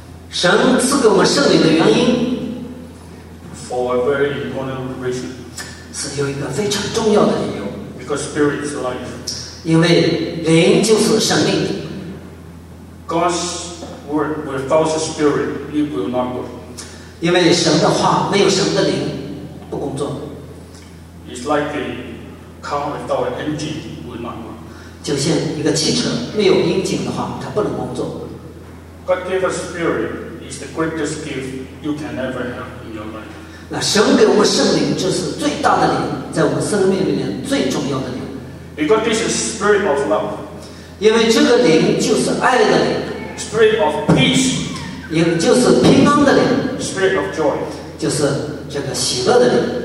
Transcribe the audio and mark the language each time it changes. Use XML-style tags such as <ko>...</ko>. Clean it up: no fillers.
<zh>神赐给我们圣灵的原因。</zh> <en>For a very important reason.</en> <zh>是有一个非常重要的理由。</zh> <en>Because Spirit is life.</en> <zh>因为灵就是生命。</zh> <en>God's word without the Spirit, it will not work.</en> <zh>因为神的话没有神的灵，不工作。</zh> <en>It's like a car without an engine, it will not work.</en> <zh>就像一个汽车没有引擎的话，它不能工作。</zh> <en>God gave us Spirit is the greatest gift you can ever have in your life.</en> <zh>那神给我们圣灵，这是最大的灵，在我们生命里面最重要的灵。</zh> <en>Because this is Spirit of love.</en> <zh>因为这个灵就是爱的灵</zh> <en>Spirit of peace</en> <zh>也就是平安的灵</zh> <en>Spirit of joy</en> <zh>就是这个喜乐的灵</zh>